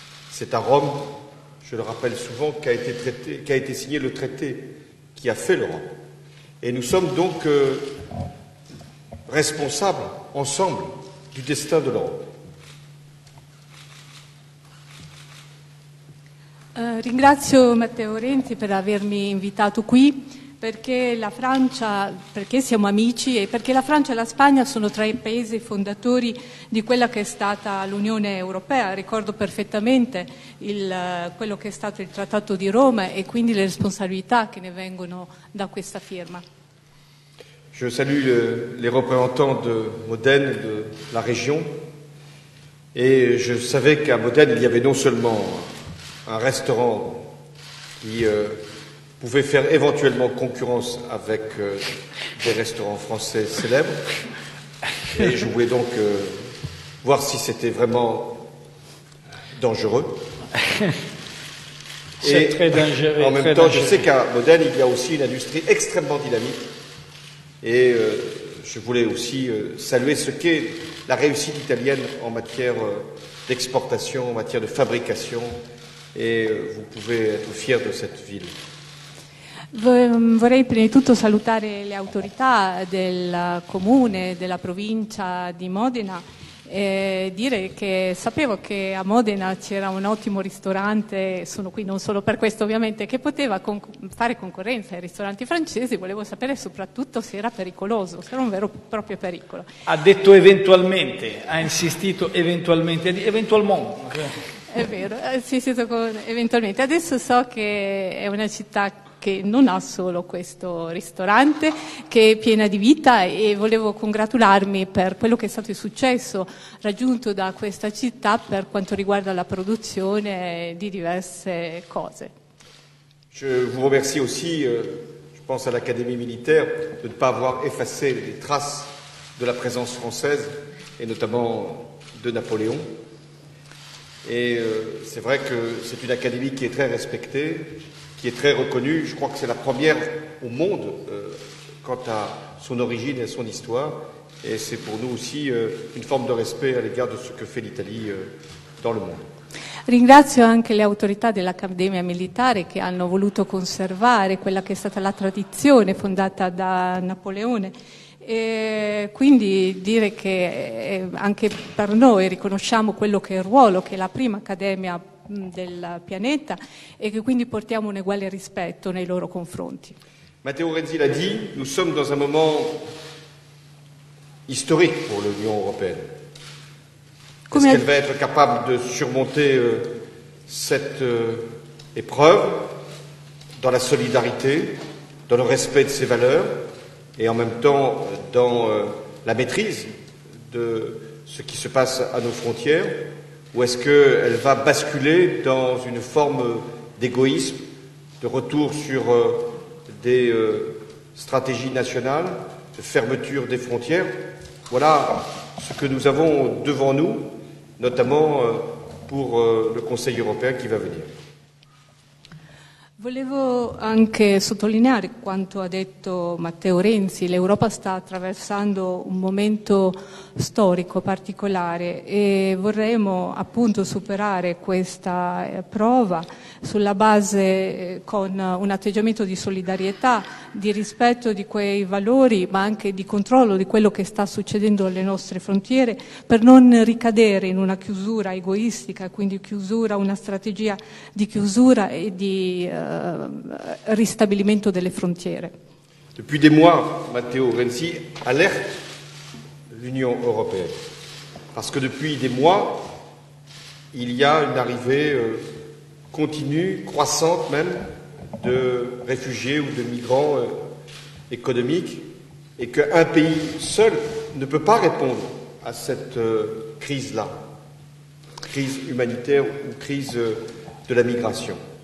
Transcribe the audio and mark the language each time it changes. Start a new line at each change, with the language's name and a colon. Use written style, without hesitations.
French: C'est à Rome, je le rappelle souvent, qu'a été signé le traité qui a fait l'Europe. Et nous sommes donc responsables, ensemble, du destin de l'Europe.
Italian: Ringrazio Matteo Renzi per avermi invitato qui, perché siamo amici e perché la Francia e la Spagna sono tra i paesi fondatori di quella che è stata l'Unione Europea. Ricordo perfettamente quello che è stato il Trattato di Roma e quindi le responsabilità che ne vengono da questa firma.
French: Je salue les représentants de Modène, de la région, et je savais qu'à Modène il y avait non seulement un restaurant qui pouvait faire éventuellement concurrence avec des restaurants français célèbres. Et je voulais donc voir si c'était vraiment dangereux. C'est et très dangereux. En même temps, dangereux. Je sais qu'à Modène, il y a aussi une industrie extrêmement dynamique. Et je voulais aussi saluer ce qu'est la réussite italienne en matière d'exportation, en matière de fabrication. Et vous pouvez être fier de cette ville.
Italian: Vorrei prima di tutto salutare le autorità del comune, della provincia di Modena e dire che sapevo che a Modena c'era un ottimo ristorante, sono qui non solo per questo ovviamente, che poteva fare concorrenza ai ristoranti francesi, volevo sapere soprattutto se era pericoloso, se era un vero e proprio pericolo. Ha detto eventualmente, ha insistito eventualmente, eventualmente. È vero, sì, sì, eventualmente. Adesso so che è una città che non ha solo questo ristorante, che è piena di vita, e volevo congratularmi per quello che è stato il successo raggiunto da questa città per quanto riguarda la produzione di diverse cose.
French: Je vous remercie aussi, je pense à l'Académie militaire, de ne pas avoir effacé les traces de la présence française, et notamment de Napoléon. Et c'est vrai que c'est une académie qui est très respectée, qui est très reconnue. Je crois que c'est la première au monde quant à son origine et son histoire. Et c'est pour nous aussi une forme de respect à l'égard de ce que fait l'Italie dans le monde.
Italian: Ringrazio anche le autorità dell'Accademia Militare che hanno voluto conservare quella che è stata la tradizione fondata da Napoleone. E quindi dire che anche per noi riconosciamo quello che è il ruolo, che è la prima Accademia del pianeta, e che quindi portiamo un uguale rispetto nei loro confronti. Matteo Renzi l'ha detto,
French: nous sommes dans un moment historique pour l'Union Européenne. Est-ce qu'elle va être capable de surmonter cette épreuve dans la solidarité, dans le respect de ses valeurs et en même temps dans la maîtrise de ce qui se passe à nos frontières, ou est-ce qu'elle va basculer dans une forme d'égoïsme, de retour sur des stratégies nationales, de fermeture des frontières? Voilà ce que nous avons devant nous, notamment pour le Conseil européen qui va venir.
Italian: Volevo anche sottolineare quanto ha detto Matteo Renzi. L'Europa sta attraversando un momento storico particolare e vorremmo appunto superare questa prova sulla base con un atteggiamento di solidarietà, di rispetto di quei valori, ma anche di controllo di quello che sta succedendo alle nostre frontiere, per non ricadere in una chiusura egoistica, quindi chiusura, una strategia di chiusura e di ristabilimento delle frontiere.
French: Depuis des mois, Matteo Renzi alerte l'Union européenne. Parce que depuis des mois, il y a une arrivée continue, croissante même, de réfugiés ou de migrants économiques, et qu'un pays seul ne peut pas répondre à cette crise-là, crise humanitaire ou crise de la migration.